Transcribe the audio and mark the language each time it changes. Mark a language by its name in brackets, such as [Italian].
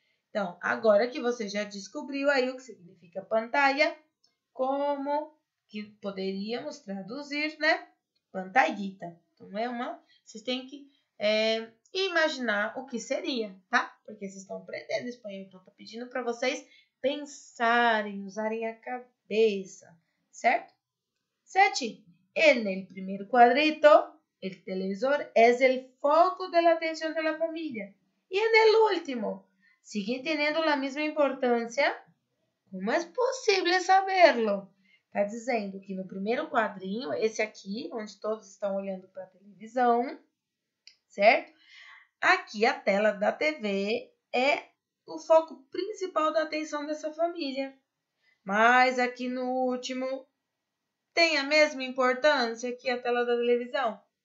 [Portuguese] Então, agora que você já descobriu aí o que significa pantalla, como que poderíamos traduzir, né? Pantallita. Então, é uma... Vocês têm que imaginar o que seria, tá? Porque vocês estão aprendendo espanhol, então tô pedindo para vocês pensarem, usarem a cabeça, certo? 7. [Spanish] En el primer cuadrito, el televisor es el foco de la atención de la familia. Y en el último, ¿sigue teniendo la misma importancia? ¿Cómo es posible saberlo? [Portuguese] Está dizendo que no primeiro quadrinho, esse aqui, onde todos estão olhando para a televisão, certo? Aqui a tela da TV é o foco principal da atenção dessa família. Mas aqui no último, tem a mesma importância que a tela da televisão?